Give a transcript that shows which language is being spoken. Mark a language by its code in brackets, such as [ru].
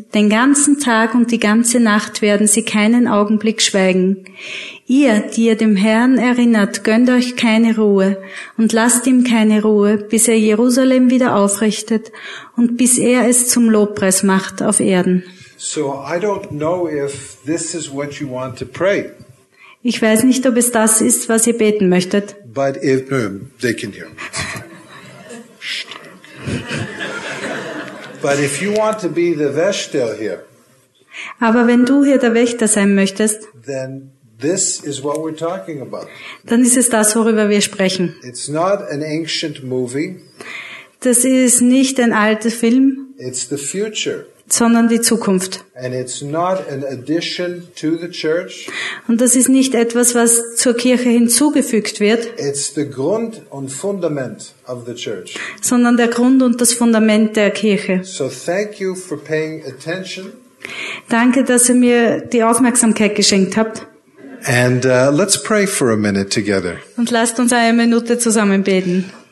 [de] Den ganzen Tag und die ganze Nacht werden sie keinen Augenblick schweigen. Ihr, die ihr dem Herrn erinnert, gönnt euch keine Ruhe und lasst ihm keine Ruhe, bis er Jerusalem wieder aufrichtet und bis er es zum Lobpreis macht auf Erden. [en] So, I don't know if this is what you want to pray. [de] Ich weiß nicht, ob es das ist, was ihr beten möchtet. [en] But if, they can hear me. But if you want to be the Wächter here, [de] aber wenn du hier der Wächter sein möchtest, [en] then this is what we're talking about. [de] Dann ist es das, worüber wir sprechen. [en] It's not an ancient movie. [de] Das ist nicht ein alter Film. [en] It's the future. [de] Sondern die Zukunft. [en] And it's not an addition to the church. [de] Und das ist nicht etwas, was zur Kirche hinzugefügt wird. [en] It's the [de] Grund und Fundament [en] of the church. [de] Sondern der Grund und das Fundament der Kirche. [en] So thank you for paying attention. [de] Danke, dass ihr mir die Aufmerksamkeit geschenkt habt. [en] And let's pray for a minute together. [de] Und lasst uns eine Minute zusammen beten.